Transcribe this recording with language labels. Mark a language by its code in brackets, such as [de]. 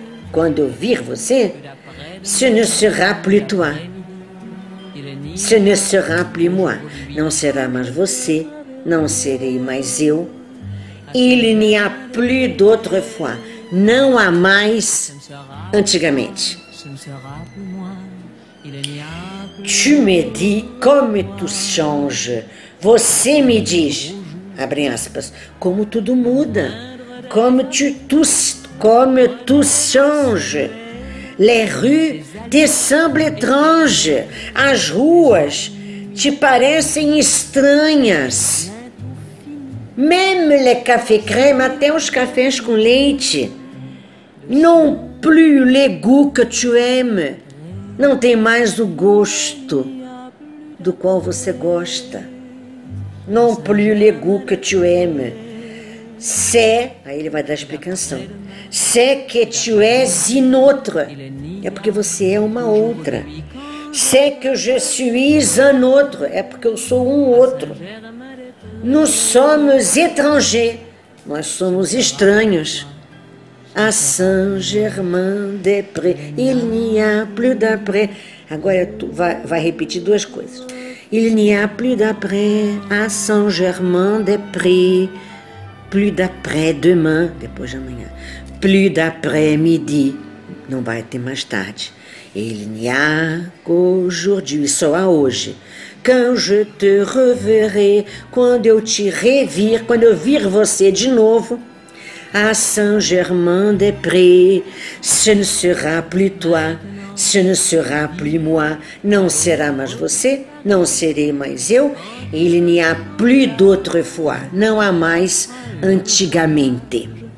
[pt] Quando eu vir você, [fr] ce ne sera plus toi. Ce ne sera plus moi. [pt] Não será mais você, não serei mais eu. [fr] Il n'y a plus d'autrefois. [pt] Não há mais antigamente. [fr] Tu me dis comme tu changes. [pt] Você me diz, abre aspas, como tudo muda. [fr] Comme tu changes. Les rues te semblent étranges. [pt] As ruas te parecem estranhas. [fr] Même les cafés crème, [pt] até os cafés com leite, [fr] non plus le goût que tu aimes, [pt] não tem mais o gosto do qual você gosta. [fr] Non plus le goût que tu aimes. C'est, [pt] aí ele vai dar a explicação, [fr] c'est que tu es une autre. [pt] É porque você é uma outra. [fr] C'est que je suis un autre. [pt] É porque eu sou um outro. [fr] Nous sommes étrangers. [pt] Nós somos estranhos. [fr] À Saint-Germain-des-Prés, il n'y a plus d'après. [pt] Agora tu vai repetir duas coisas. [fr] Il n'y a plus d'après à Saint-Germain-des-Prés. Plus d'après demain, [pt] depois de amanhã. [fr] Plus d'après midi, [pt] não vai ter mais tarde. [fr] Il n'y a qu'aujourd'hui, [pt] só há hoje. [fr] Quand je te reverrai, [pt] quando eu te revir, quando eu vir você de novo, à Saint-Germain-des-Prés, [fr] ce ne sera plus toi, ce ne sera plus moi, [pt] não será mais você, não serei mais eu, [fr] il n'y a plus d'autrefois, [pt] não há mais antigamente.